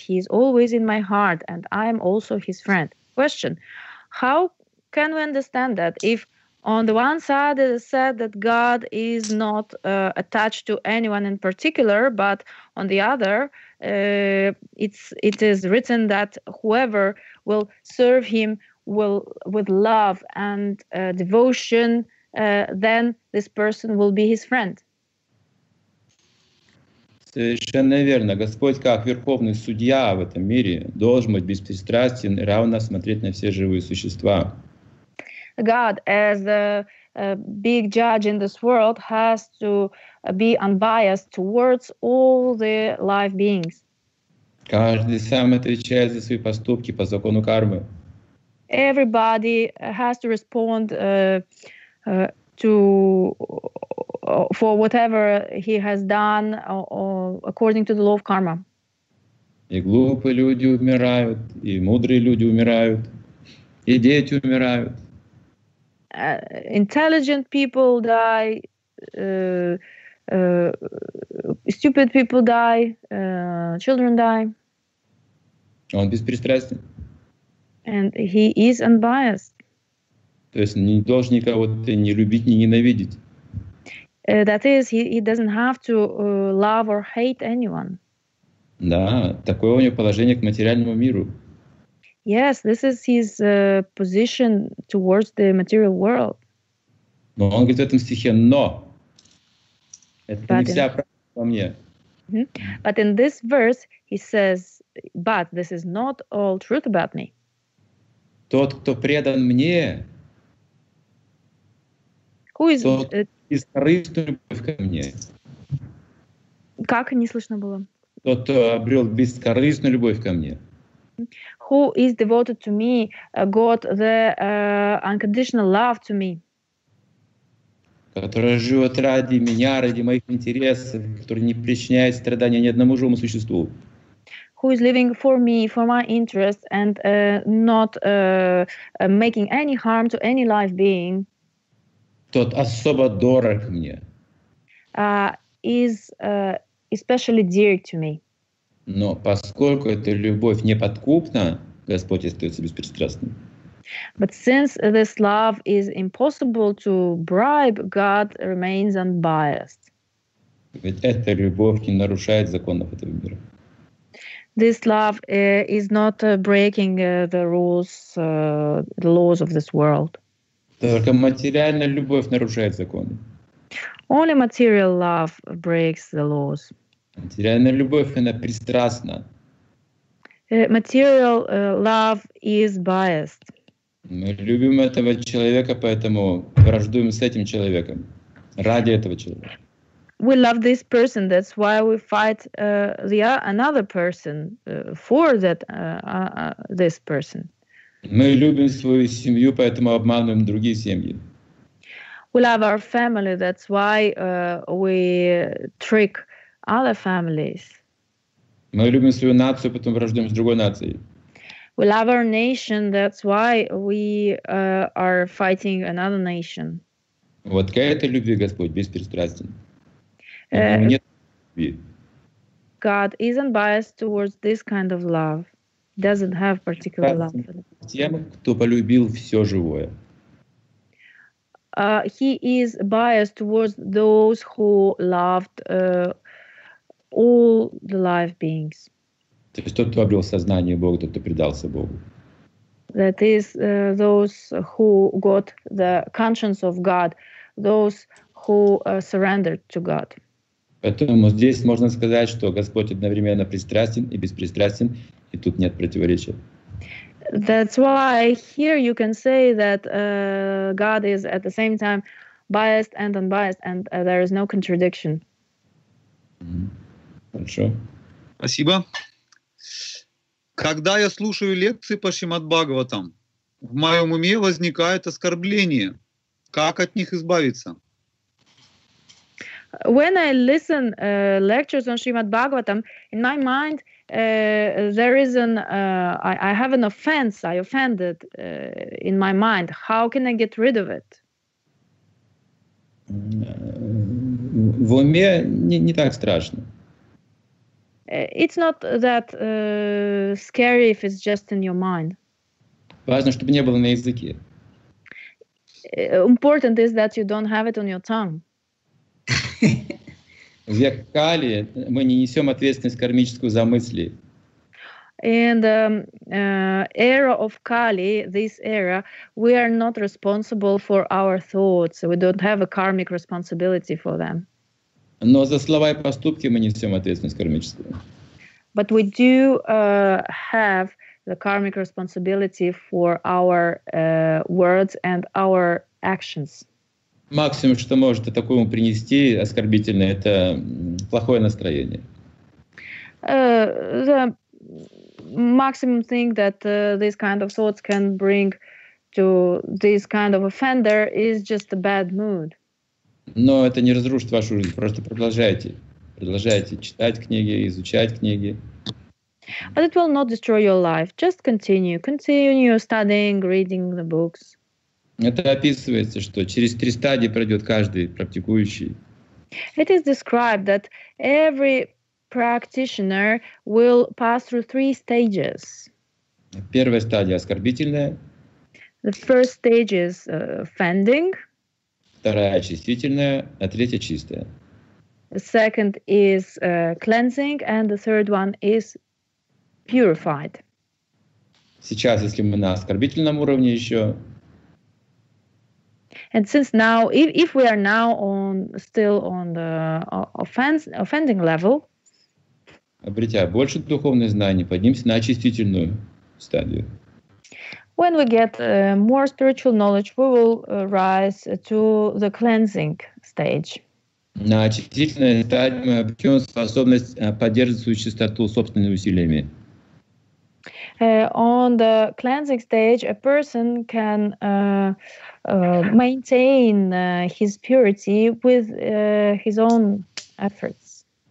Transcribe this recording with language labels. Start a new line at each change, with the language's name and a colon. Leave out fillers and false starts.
English: He is always in my heart, and I am also his friend. Question: how can we understand that if on the one side, it is said that God is not attached to anyone in particular, but on the other, it is written that whoever will serve him will with love and devotion, then this person will be his friend.
Russian: Совершенно верно. Господь, как верховный судья в этом мире, должен быть беспристрастен и равно смотреть на все живые существа.
English: God as the big judge in this world has to be unbiased towards all the live beings.
Russian: Каждый сам отвечает за свои поступки по закону кармы.
English: Everybody has to respond to for whatever he has done according to the law of karma.
Russian: И глупые люди умирают, и мудрые люди умирают, и дети умирают.
English: Intelligent people die, stupid people die, children die.
Russian: Он беспристрастен.
English: And he is unbiased.
Russian: То есть не должен никого ни любить, ни ненавидеть.
English: That is, he doesn't have to love or hate anyone.
Russian: Да, такое у него положение к материальному миру.
English: Yes, this is his position towards the material world.
Russian: Но он говорит в этом стихе, но. Это
English: but
Russian: не вся правда во мне. Mm-hmm.
English: But in this verse he says, but this is not all truth about me.
Russian: Тот, кто предан мне,
English: who is,
Russian: тот, кто бескорыстную любовь ко мне. Как не слышно было? Тот, кто обрел бескорыстную любовь ко мне.
English: Who is devoted to me, got the unconditional love to me.
Russian: Который живет ради меня, ради моих интересов, который не причиняет страдания ни одному живому существу.
English: Who is living for me, for my interests, and not making any harm to any live being.
Russian: Тот особо дорог мне.
English: Is especially dear to me.
Russian: Но поскольку эта любовь неподкупна, Господь остается беспристрастным.
English: But since this love is impossible to bribe, God remains unbiased.
Russian: Ведь эта любовь не нарушает законов этого мира.
English: This love is not breaking the rules, the laws of this world.
Russian: Только материальная любовь нарушает законы.
English: Only material love breaks the laws.
Russian: Материальная любовь, она пристрастна.
English: Material love is biased.
Russian: Мы любим этого человека, поэтому враждуем с этим человеком. Ради этого человека.
English: We love this person, that's why we fight the another person for that this person.
Russian: Мы любим свою семью, поэтому обманываем другие семьи.
English: We love our family, that's why we trick other families.
Russian: Мы любим свою нацию, потом враждуем с другой нацией.
English: We love our nation, that's why we are fighting another nation.
Russian: Вот к этой любви Господь беспристрастен.
English: God isn't biased towards this kind of love. Doesn't have particular love for them.
Russian: Тем, кто полюбил все живое.
English: He is biased towards those who loved all the live beings.
Russian: То есть тот, кто обрел сознание Бога, тот, кто предался Богу.
English: That is those who got the conscience of God, those who surrendered to God.
Russian: Поэтому здесь можно сказать, что Господь одновременно пристрастен и беспристрастен, и тут нет противоречия.
English: That's why here you can say that God is at the same time biased and unbiased, and there is no contradiction.
Russian: Хорошо. Спасибо. Когда я слушаю лекции по Шримад-Бхагаватам, в моем уме возникает оскорбление. Как от них избавиться?
English: When I listen lectures on Srimad Bhagavatam, in my mind there is an I have an offense. I offended in my mind. How can I get rid of it?
Russian: В уме не так страшно.
English: It's not that scary if it's just in your mind.
Russian: Важно, чтобы не было на языке.
English: Important is that you don't have it on your tongue.
Russian: В Кали мы не несем ответственность кармическую за мысли.
English: In the era of Kali, this era, we are not responsible for our thoughts. We don't have a karmic responsibility for them.
Russian: Но за слова и поступки мы несем ответственность кармическую.
English: But we do have the karmic responsibility for our words and our actions.
Russian: Максимум, что может такому принести оскорбительное, это плохое настроение.
English: The maximum thing that this kind of thoughts can bring to this kind of offender is just a bad mood.
Russian: Но это не разрушит вашу жизнь, просто продолжайте. Продолжайте читать книги, изучать книги.
English: But it will not destroy your life. Just continue. Continue studying, reading the books.
Russian: Это описывается, что через три стадии пройдет каждый практикующий.
English: It is described that every practitioner will pass through three stages.
Russian: Первая стадия оскорбительная.
English: The first stage is offending.
Russian: Вторая очистительная, а третья чистая.
English: The second is cleansing, and the third one is purified.
Russian: Сейчас, если мы на оскорбительном уровне еще.
English: And since now, if we are now on still on the offending level,
Russian: обретя больше духовных знаний, поднимемся на очистительную стадию.
English: When we get more spiritual knowledge, we will rise to the cleansing stage.
Russian: На очистительной стадии мы обретем способность поддерживать свою чистоту собственными усилиями.
English: On the cleansing stage, a person can maintain his purity with his own efforts.